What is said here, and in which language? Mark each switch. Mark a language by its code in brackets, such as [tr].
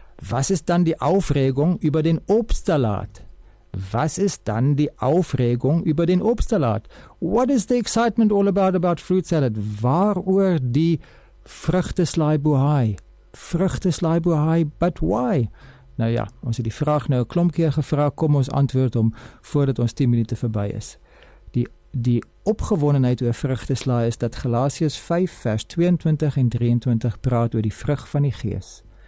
[de] Was ist dann die Aufregung über den Obstsalat? Was ist dann die Aufregung über den Obstsalat? [en] What is the excitement all about fruit salad? [af] Waaroor die vrugteslaai bohaai? Vrugteslaai bohaai, [en] but why? [af] Nou ja, ons het die vraag nou 'n klomp keer gevra, kom ons antwoord om voordat ons 10 minute verby is. Die opgewondenheid oor vrugteslaai is dat Galasiërs 5 vers 22 en 23 praat oor die vrug van die gees.